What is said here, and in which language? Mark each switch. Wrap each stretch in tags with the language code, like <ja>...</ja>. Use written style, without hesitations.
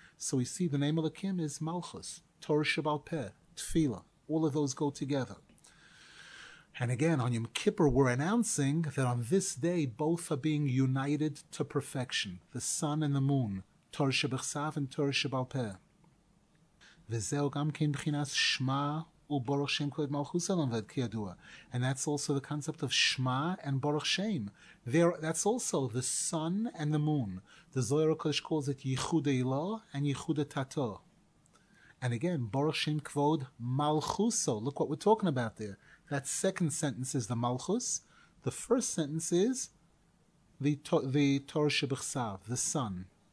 <en>So we see the name Elokim is Malchus, Torah Shebal Peh, Tefillah. All of those go together. And again, on Yom Kippur, we're announcing that on this day, both are being united to perfection, the sun and the moon, Torah Shebichsav and Torah Shebal Peh.</en> <he>וזהו גם כן בחינס שמה וברוך שם כבוד מלכות עולם ועד כידוע.</he> <en>And that's also the concept of שמה and</en> <he>ברוך שם.</he> <en>That's also the sun and the moon. The Zohar HaKadosh calls it</en> <he>ייחוד אילו</he> <en>and</en> <he>ייחוד תתו.</he> <en>And again,</en> <he>ברוך שם כבוד מלכות.</he> <en>Look what we're talking about there. That second sentence is the מלכות. The first sentence is the Torah שבכתב, the sun.</en>